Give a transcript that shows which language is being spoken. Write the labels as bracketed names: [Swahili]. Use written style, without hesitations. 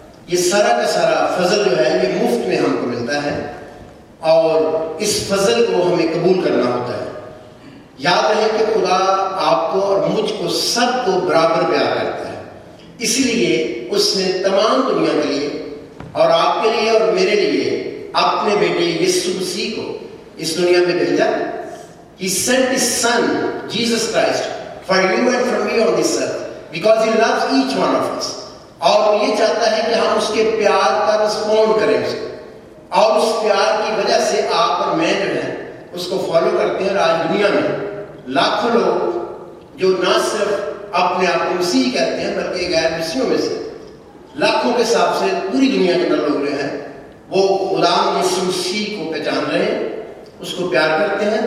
[Hindi] ये सारा का सारा फजल जो है ये मुफ्त में हमको मिलता है और इस फजल को हमें कबूल करना होता है। याद रहे कि खुदा आपको और मुझको सबको बराबर प्यार करता है, इसलिए उसने तमाम दुनिया के लिए और आपके लिए और मेरे लिए अपने बेटे यीशु मसीह को इस दुनिया में भेजा। [English] He sent his son Jesus Christ for you and for me on this earth because he loves each one of us. [Hindi] और ये चाहता है कि हम उसके प्यार का रिस्पॉन्ड करें उसे, और उस प्यार की वजह से आप और मैं जो है उसको फॉलो करते हैं। आज दुनिया में लाखों लोग जो ना सिर्फ अपने आप को मसीह कहते हैं बल्कि गैर मसीहों में से लाखों के हिसाब से पूरी दुनिया के अंदर लोग रहे हैं वो खुदा यीशु मसीह को पहचान रहे हैं, उसको प्यार करते हैं।